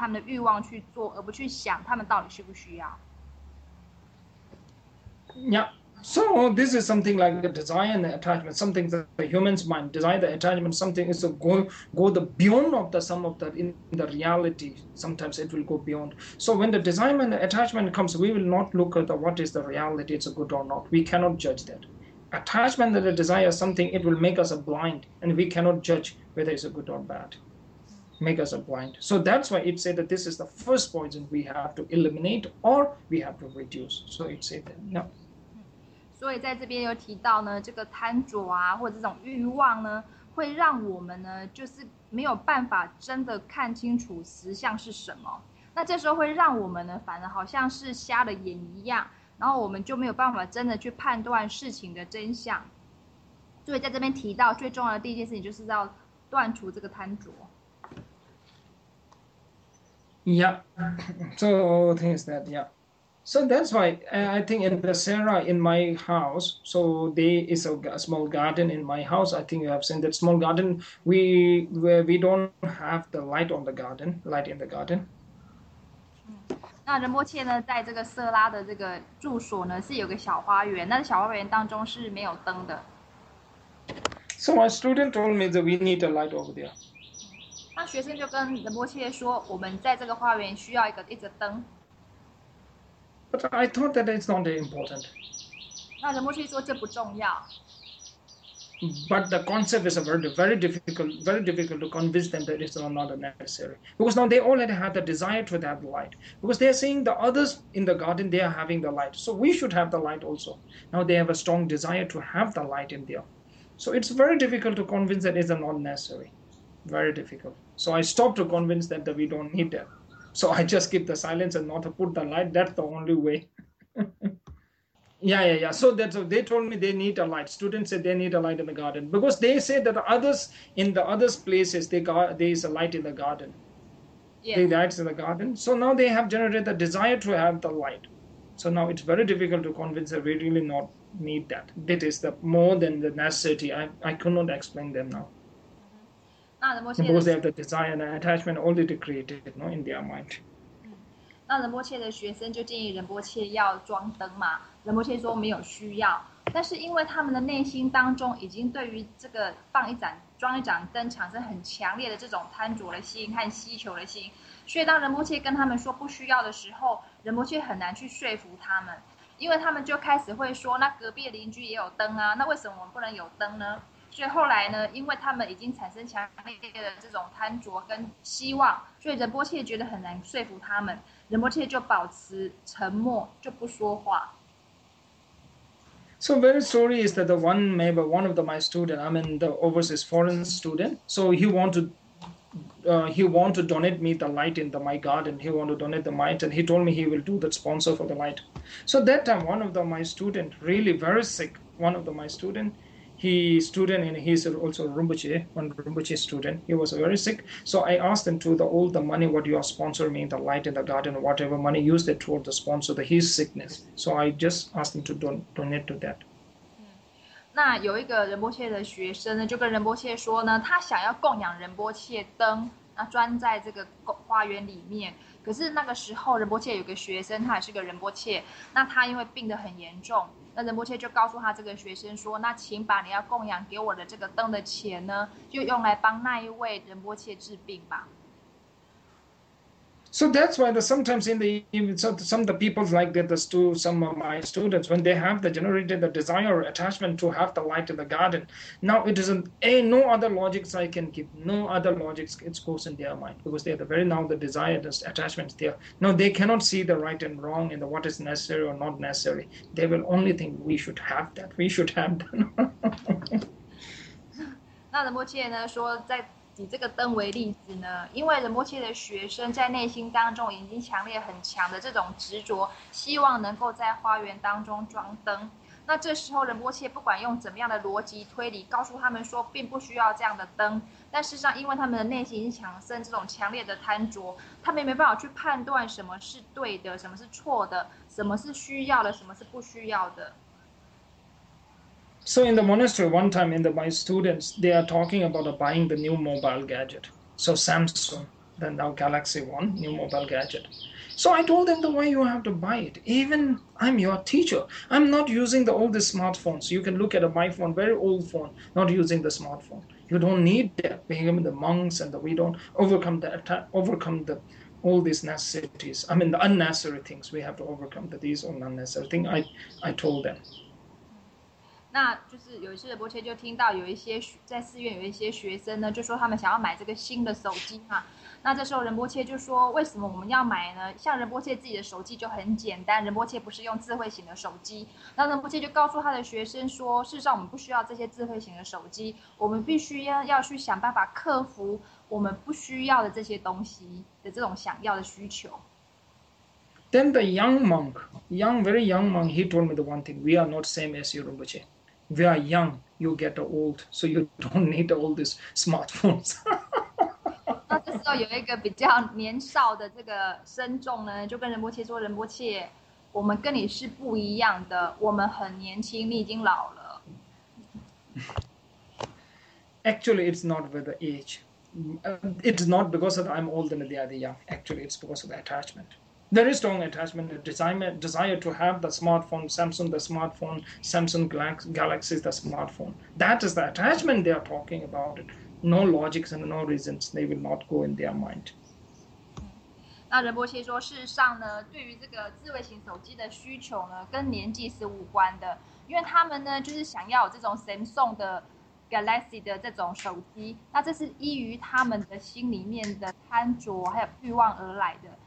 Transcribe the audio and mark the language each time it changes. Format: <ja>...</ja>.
<zh>那他们呢就会一直娶了3个4个，可是他们不会仔细去观察说到底他们有没有需要这样结那么多次婚，他们只是因为他们自己的这种贪着啊，或者他们这种欲望，那他们就这样结婚。那这样子如果说其实在印度的宪法当中，这群人的这样做其实还是合法的，但是他们就是基于他们的欲望去做，而不去想他们到底需不需要。</zh> <en>So this is something like the desire and the attachment, something that the human's mind, desire, the attachment, something is to go the beyond of the sum of that in the reality. Sometimes it will go beyond. So when the desire and the attachment comes, we will not look at what is the reality, it's a good or not. We cannot judge that. Attachment and the desire, something, it will make us a blind, and we cannot judge whether it's a good or bad. Make us a blind. So that's why it said that this is the first poison we have to eliminate or we have to reduce. So it said that, no.</en> <zh>所以在这边有提到呢，这个贪着啊，或者这种欲望呢，会让我们呢，就是没有办法真的看清楚实相是什么。那这时候会让我们呢，反而好像是瞎了眼一样，然后我们就没有办法真的去判断事情的真相。所以在这边提到最重要的第一件事情，就是要断除这个贪着。</zh> <en>So thing is that, yeah. So that's why I think in the Sarah in my house, so there is a small garden in my house. I think you have seen that small garden. Where we don't have the light on the garden, light in the garden.</en> <zh>那仁波切呢，在这个色拉的这个住所呢，是有个小花园，那小花园当中是没有灯的。</zh> <en>So my student told me that we need a light over there.</en> <zh>那学生就跟仁波切说，我们在这个花园需要一个灯。</zh> <en>But I thought that it's not that important.</en> <zh>那仁波切说这不重要。</zh> <en>But the concept is a very difficult to convince them that it's not necessary. Because now they already have the desire to have the light. Because they are seeing the others in the garden, they are having the light. So we should have the light also. Now they have a strong desire to have the light in there. So it's very difficult to convince that it's not necessary. Very difficult. So I stopped to convince them that we don't need that. So I just keep the silence and not put the light. That's the only way. So that's what they told me they need a light. Students said they need a light in the garden because they say that in the others places they got there is a light in the garden. They Yes. lights in the garden. So now they have generated the desire to have the light. So now it's very difficult to convince that we really not need that. That is the more than the necessity. I could not explain them now.</en> <zh>那仁波切的，</zh> <en>Because they have the desire and the attachment already created, no, in their mind.</en> <zh>那仁波切的学生就建议仁波切要装灯嘛。仁波切说没有需要，但是因为他们的内心当中已经对于这个装一盏灯产生很强烈的这种贪着的心和希求的心，所以当仁波切跟他们说不需要的时候，仁波切很难去说服他们，因为他们就开始会说，那隔壁的邻居也有灯啊，那为什么我们不能有灯呢？所以后来呢，因为他们已经产生强烈的这种贪着跟希望，所以仁波切觉得很难说服他们，仁波切就保持沉默，就不说话。</zh> <en>So very story is that the one maybe one of the my student, I mean the overseas foreign student. So he want to donate me the light in the my garden. He want to donate the light, and he told me he will do that sponsor for the light. So that time one of the my student really very sick. One of the my student, he student and he's also Rinpoche, one Rinpoche student. He was very sick. So I asked him to the all the money what you are sponsoring me the light in the garden, whatever money use that toward the sponsor the his sickness. So I just asked him to donate to that.</en> <zh>那有一个仁波切的学生呢，就跟仁波切说呢，他想要供养仁波切灯，那装在这个花园里面。可是那个时候，仁波切有个学生，他也是个仁波切，那他因为病得很严重，那仁波切就告诉他这个学生说，那请把你要供养给我的这个灯的钱呢，就用来帮那一位仁波切治病吧。</zh> <en>So that's why the sometimes in the even so some of the people like that, some of my students, when they have the generated the desire or attachment to have the light in the garden, now it isn't a no other logics I can give, no other logics it goes in their mind because they have the very now the desire, this attachment there. Now they cannot see the right and wrong and the what is necessary or not necessary. They will only think we should have that, we should have that.</en> <zh>那仁波切呢说，在以这个灯为例子呢，因为仁波切的学生在内心当中已经强烈很强的这种执着，希望能够在花园当中装灯。那这时候仁波切不管用怎么样的逻辑推理告诉他们说，并不需要这样的灯，但事实上，因为他们的内心产生这种强烈的贪着，他们也没办法去判断什么是对的，什么是错的，什么是需要的，什么是不需要的。</zh> <en>So in the monastery, one time in the my students, they are talking about buying the new mobile gadget. So Samsung, then now Galaxy One, new mobile gadget. So I told them the way you have to buy it. Even I'm your teacher. I'm not using the oldest smartphones. You can look at my phone, very old phone, not using the smartphone. You don't need that. Being the monks and we don't overcome the all these necessities. I mean the unnecessary things we have to overcome that these are unnecessary things. I told them.</en> <zh>那就是有一次仁波切就听到有一些在寺院有一些学生呢，就说他们想要买这个新的手机嘛。那这时候仁波切就说：“为什么我们要买呢？像仁波切自己的手机就很简单，仁波切不是用智慧型的手机。 ”那仁波切就告诉他的学生说：“事实上我们不需要这些智慧型的手机，我们必须要去想办法克服我们不需要的这些东西的这种想要的需求。 ”</zh> <en>Then the young monk, young, very young monk, he told me the one thing, we are not same as you, Rinpoche. We are young, you get old, so you don't need all these smartphones.</en> <zh>那这时候有一个比较年少的这个僧众呢，就跟仁波切说：“仁波切，我们跟你是不一样的，我们很年轻，你已经老了。”</zh> <en>Actually, it's not with the age. It's not because of I'm older than the other young. Actually, it's because of the attachment. There is strong attachment, a desire to have the smartphone, Samsung Galaxy, the smartphone. That is the attachment they are talking about. No logics and no reasons, they will not go in their mind.</en> <zh>那仁波切说，事实上呢，对于这个智慧型手机的需求呢，跟年纪是无关的，因为他们呢，就是想要有这种 Samsung 的 Galaxy 的这种手机，那这是依于他们的心里面的贪着还有欲望而来的。</zh>